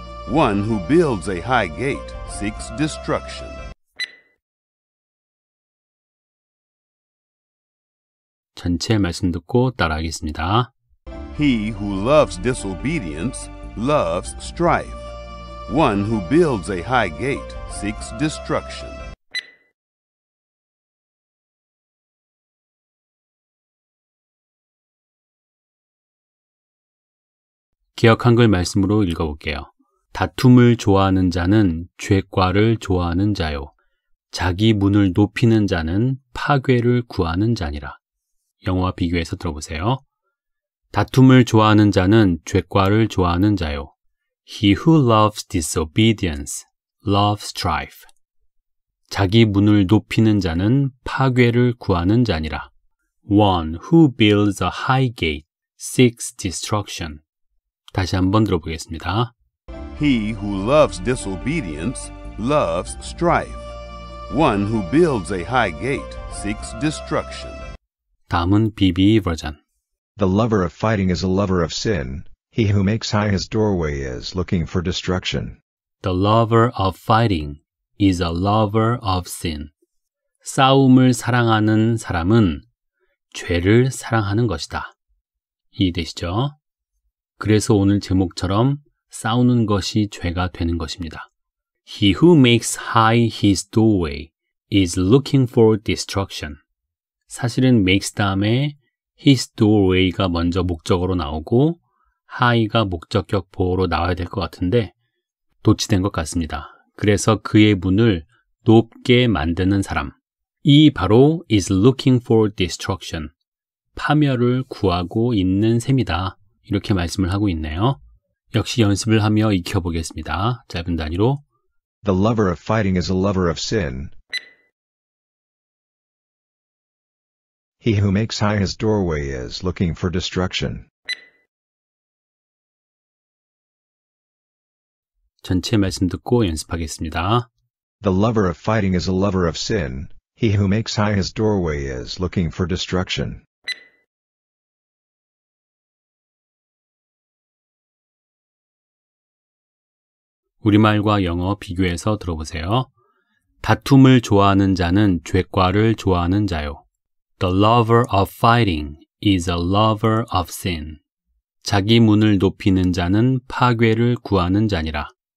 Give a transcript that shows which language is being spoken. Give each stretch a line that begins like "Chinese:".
English: One who builds a high gate seeks destruction.
Korean: 전체 말씀 듣고 따라하겠습니다.
English: He who loves disobedience loves strife. One who builds a high gate seeks destruction.
Korean: 기억한 글 말씀으로 읽어볼게요. 다툼을 좋아하는 자는 죄과를 좋아하는 자요. 자기 문을 높이는 자는 파괴를 구하는 자니라. 영어와 비교해서 들어보세요. 다툼을 좋아하는 자는 죄과를 좋아하는 자요.
English: He who loves disobedience loves strife.
Korean: 자기 문을 높이는 자는 파괴를 구하는 자니라.
English: One who builds a high gate seeks destruction.
Korean: 다시 한번 들어보겠습니다.
English: He who loves disobedience loves strife. One who builds a high gate seeks destruction.
Korean: 다음은 BB 버전.
English: The lover of fighting is a lover of sin. He who makes high his doorway is looking for destruction. The lover of fighting is a lover of sin.
Korean: 싸움을 사랑하는 사람은 죄를 사랑하는 것이다. 이해되시죠? 그래서 오늘 제목처럼 싸우는 것이 죄가 되는 것입니다.
English: He who makes high his doorway is looking for destruction.
Korean: 사실은 makes 다음에 his doorway가 먼저 목적어로 나오고 high가 목적격 보호로 나와야 될 것 같은데 도치된 것 같습니다. 그래서 그의 문을 높게 만드는 사람 이 바로
English: is looking for destruction.
Korean: 파멸을 구하고 있는 셈이다. 이렇게 말씀을 하고 있네요. 역시 연습을 하며 익혀보겠습니다. 짧은 단위로
English: The lover of fighting is a lover of sin. He who makes high his doorway is looking for destruction.
Korean: 전체 말씀 듣고 연습하겠습니다.
English: The lover of fighting is a lover of sin. He who makes high his doorway is looking for destruction.
Korean: 우리말과 영어 비교해서 들어보세요. 다툼을 좋아하는 자는 죄과를 좋아하는 자요.
English: The lover of fighting is a lover of sin.
Korean: 자기 문을 높이는 자는 파괴를 구하는 자니라.